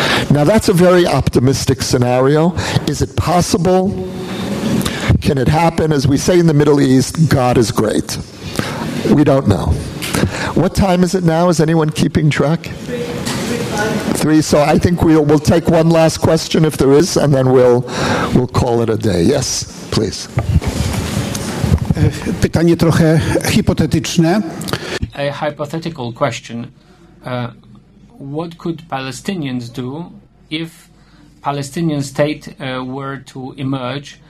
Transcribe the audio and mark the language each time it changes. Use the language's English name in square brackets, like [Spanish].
[English] Now, that's a very optimistic scenario. Is it possible? Can it happen? As we say in the Middle East, God is great. We don't know. What time is it now? Is anyone keeping track? Three. So I think we'll take one last question if there is, and then we'll call it a day. Yes, please. [Polish] Pytanie trochę hipotetyczne. [English] A hypothetical question. What could Palestinians do if Palestinian state were to emerge?